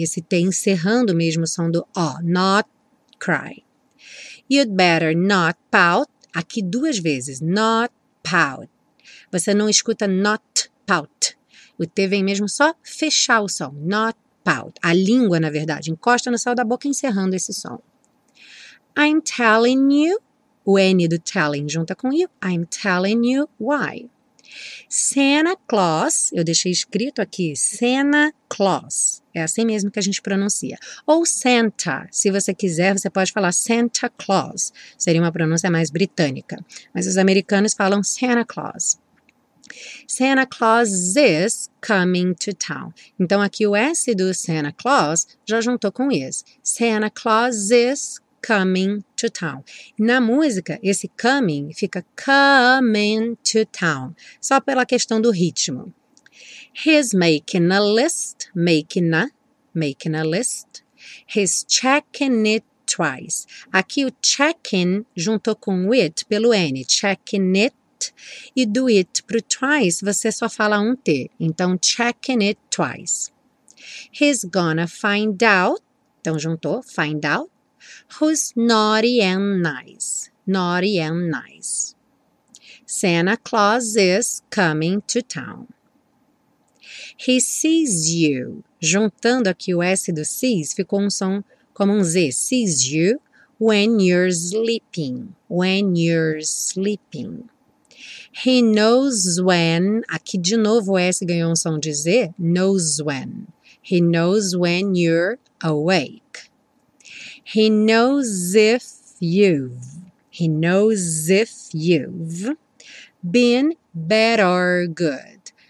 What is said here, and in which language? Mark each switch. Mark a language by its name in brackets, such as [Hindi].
[Portuguese] Esse T encerrando mesmo o som do O, [English] not cry. You'd better not pout. [Portuguese] Aqui duas vezes, [English] not pout. [Portuguese] Você não escuta [English] not pout. [Portuguese] O T vem mesmo só fechar o som, not pout. A língua, na verdade, encosta no céu da boca encerrando esse som. [English] I'm telling you, [Portuguese] o N do telling junta com you, [English] I'm telling you why. [Portuguese] Santa Claus, eu deixei escrito aqui, Santa Claus, é assim mesmo que a gente pronuncia. Ou Santa, se você quiser, você pode falar Santa Claus, seria uma pronúncia mais britânica. Mas os americanos falam Santa Claus. [English] Santa Claus is coming to town. [Portuguese] Então, aqui o S do Santa Claus já juntou com is. [English] Santa Claus is coming to town. [Portuguese] Na música, esse coming fica [English] coming to town, [Portuguese] só pela questão do ritmo. [English] He's making a list, making a list. He's checking it twice. [Portuguese] Aqui o checking juntou com o it pelo N, checking it. E do it pro twice, você só fala um T. [English] Então, checking it twice. He's gonna find out. Então, juntou, find out. Who's naughty and nice. Naughty and nice. Santa Claus is coming to town. He sees you. [Portuguese] Juntando aqui o S do sees, ficou um som como um Z. [English] Sees you when you're sleeping. When you're sleeping. He knows when, [Portuguese] aqui de novo o S ganhou um som de Z, knows when. [English] He knows when you're awake. He knows if you've, he knows if you've been bad or good.